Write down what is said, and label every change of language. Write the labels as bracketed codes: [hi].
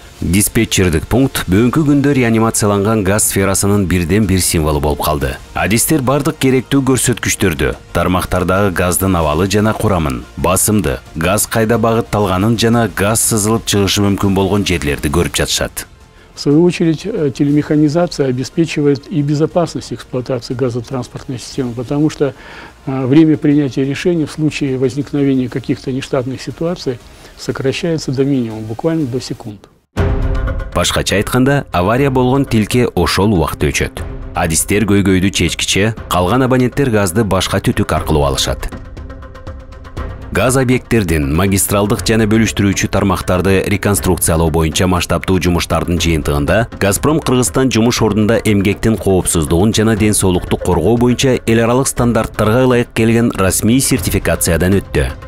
[ky] Диспетчердик пункт бүгүнкү күндө реанимацияланган газ сферасынын бирден бир символу болуп калды. Адистер бардык керектүү көрсөткүчтөрдү, тармактардагы газдын абалы жана курамын, басымды, газ кайда багытталганын жана газ сызылып чыгышы мүмкүн болгон жерлерди көрүп жатышат. [ru] В свою очередь, телемеханизация обеспечивает и безопасность эксплуатации газотранспортной системы, потому что время принятия решений в случае возникновения каких-то нештатных ситуаций сокращается до минимума, буквально до секунд. [ky] Башкача айтканда, авария болгон тилке ошол убакта өчөт. Адистер көйгөйдү чечкиче, калган абоненттер газды башка түтүк аркылуу алышат. Газ объекттердин магистралдык жана бөлүштүрүүчү тармактарды реконструкциялоо боюнча масштабтуу жумуштардын жыйынтыгында Газпром Кыргызстан жумуш ордунда эмгектин коопсуздугун жана ден соолукту коргоо боюнча эл аралык стандарттарга ылайык келген расмий сертификациядан өттү.